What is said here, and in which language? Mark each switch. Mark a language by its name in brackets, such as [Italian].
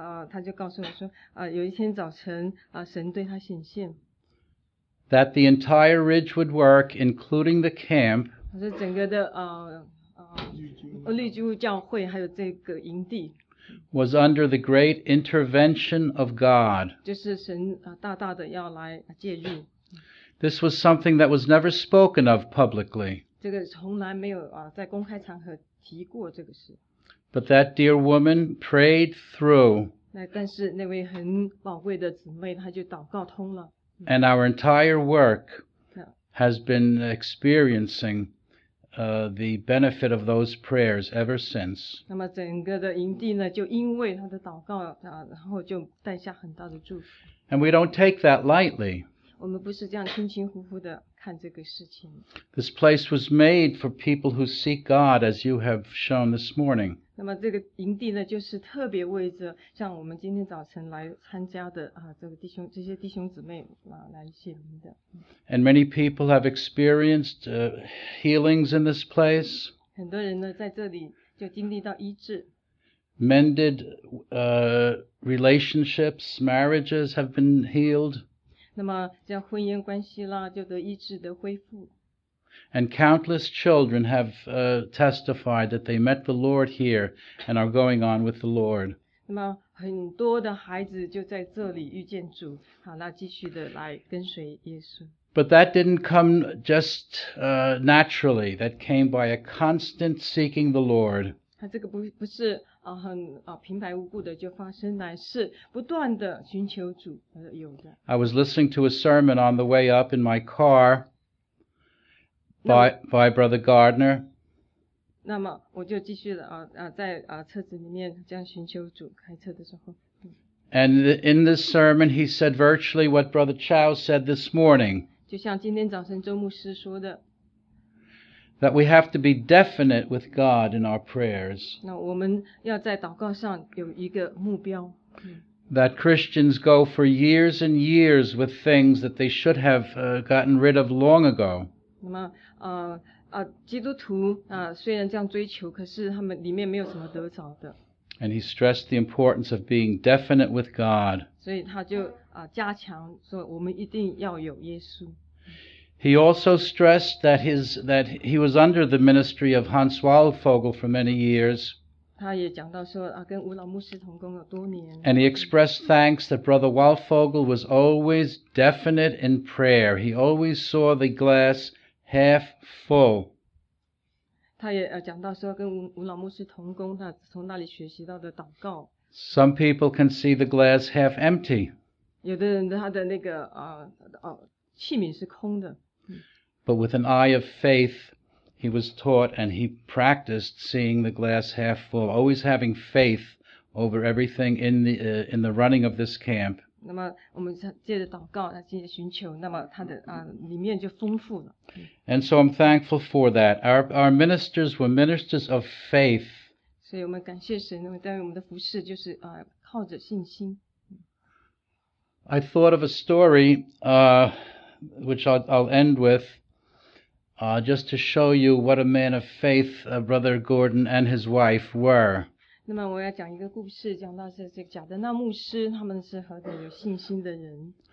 [Chinese] 他就告诉我说有一天早晨神对他显现。 [English] That the entire ridge would work, including the camp. [Chinese] 是整个的绿巨物教会还有这个营地。 [English] Was under the great intervention of God. [Chinese] 就是神大大的要来介入。 [English] This was something that was never spoken of publicly. [Chinese] 这个从来没有在公开场合提过这个事。 [English] But that dear woman prayed through. [Chinese] 但是那位很宝贵的姊妹她就祷告通了。 [English] And our entire work has been experiencing the benefit of those prayers ever since. [Chinese] 那么整个的营地呢，就因为他的祷告然后就带下很大的祝福。 [English] And we don't take that lightly. [Chinese] 我们不是这样轻轻忽忽的看这个事情。 [English] This place was made for people who seek God, as you have shown this morning. [Chinese] 那么这个营地呢，就是特别为着像我们今天早晨来参加的这个弟兄这些弟兄姊妹来显灵的。 [English] And many people have experienced healings in this place. [Chinese] 很多人呢在这里就经历到医治。 [English] Mended relationships, marriages have been healed. [Chinese] 那么像婚姻关系啦，就得医治得恢复。 [English] And countless children have testified that they met the Lord here and are going on with the Lord. [Chinese] 那么很多的孩子就在这里遇见主，好，那继续的来跟随耶稣。 [English] But that didn't come just naturally. That came by a constant seeking the Lord. [Chinese] 它这个不是很平白无故的就发生，乃是不断的寻求主而有的。 [English] I was listening to a sermon on the way up in my car. By Brother Gardner. [Chinese] 那么我就继续在车子里面这样寻求主开车的时候。 [English] And in this sermon, he said virtually what Brother Chow said this morning. [Chinese] 就像今天早晨周牧师说的。 [English] That we have to be definite with God in our prayers. [Chinese] 那我们要在祷告上有一个目标。 [English] That Christians go for years and years with things that they should have gotten rid of long ago. [Chinese] 那么基督徒虽然这样追求，可是他们里面没有什么得着的。 [English] And he stressed the importance of being definite with God. [Chinese] 所以他就加强说我们一定要有耶稣。 [English] He also stressed that he was under the ministry of Hans Weilfogel for many years. [Chinese] 他也讲到说跟吴老牧师同工了多年。 [English] And he expressed thanks that Brother Weilfogel was always definite in prayer. He always saw the glass half full. [Chinese] 他也讲到说跟吴老牧师同工，他从那里学习到的祷告。 [English] Some people can see the glass half empty. [Chinese] 有的人他的那个器皿是空的。 [English] But with an eye of faith, he was taught and he practiced seeing the glass half full, always having faith over everything in the running of this camp. [Chinese] 那么我们借着祷告，借着寻求，那么他的里面就丰富了。 [English] And so I'm thankful for that. Our ministers were ministers of faith. [Chinese] 所以我们感谢神，因为在我们的服事就是靠着信心。 [English] I thought of a story, which I'll end with, just to show you what a man of faith, Brother Gordon and his wife were. [Chinese] 那么我要讲一个故事，讲到是这个贾德纳牧师，他们是何等有信心的人。